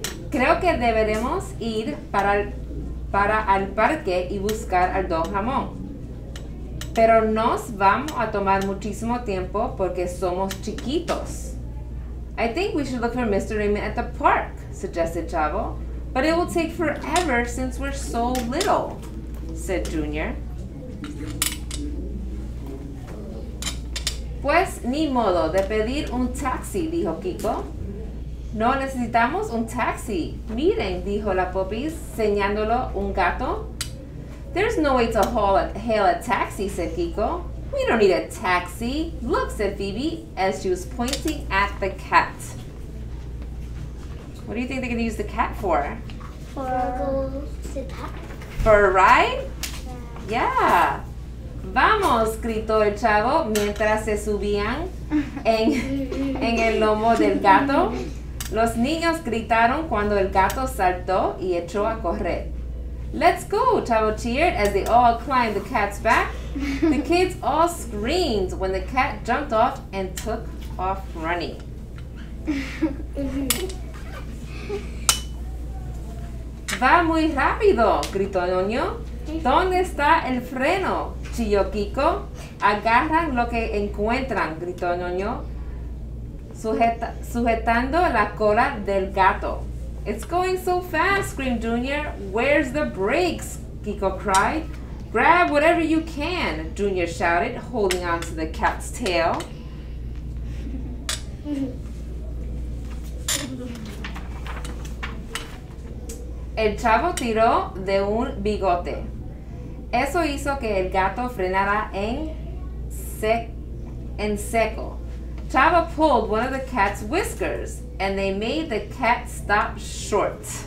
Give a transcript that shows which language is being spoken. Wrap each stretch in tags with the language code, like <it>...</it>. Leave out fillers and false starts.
<es>Creo que deberemos ir para el parque y buscar al Don Ramón. Pero nos vamos a tomar muchísimo tiempo porque somos chiquitos.</es> <en>I think we should look for Mr. Raymond at the park, suggested Chavo. But it will take forever since we're so little, said Junior.</en> <es>Pues ni modo de pedir un taxi, dijo Kiko. No necesitamos un taxi. Miren, dijo la Popis, señándolo un gato.</es> <en>There's no way to hail a taxi, said Kiko. We don't need a taxi. Look, said Phoebe, as she was pointing at the cat. What do you think they're going to use the cat for? For a ride. For a ride? Yeah. Yeah.</en> <es>Vamos, gritó el chavo, mientras se subían en el lomo del gato. Los niños gritaron cuando el gato saltó y echó a correr.</es> <en>Let's go, Chavo cheered as they all climbed the cat's back. The kids all screamed when the cat jumped off and took off running.</en> <es>Va muy rápido, gritó Noño. ¿Dónde está el freno? Chilló Kiko. Agarran lo que encuentran, gritó Noño, sujetando la cola del gato.</es> <en>It's going so fast, screamed Junior. Where's the brakes? Kiko cried. Grab whatever you can, Junior shouted, holding on to the cat's tail.</en> <es>El chavo tiró de un bigote. Eso hizo que el gato frenara en seco.</es> <en>Chavo pulled one of the cat's whiskers, and they made the cat stop short.</en>